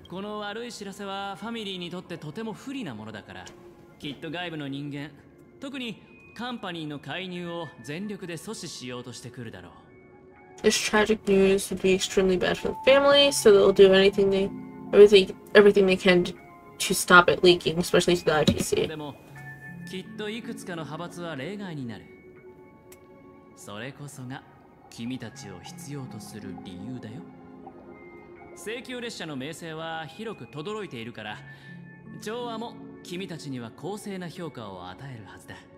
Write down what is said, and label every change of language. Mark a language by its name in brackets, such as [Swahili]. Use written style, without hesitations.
[Japanese] この悪い知らせはファミリーにとってとても不利なものだから、きっと外部の人間、特にカンパニーの介入を全力で阻止しようとしてくるだろう。 [English] This tragic news would be extremely bad for the family, so they'll do everything they can to stop it leaking, especially to the ITC. [Japanese] でも、きっといくつかの派閥は例外になる。それこそが君たちを必要とする理由だよ。請求列車の名声は広く轟いているから、調和も君たちには公正な評価を与えるはずだ。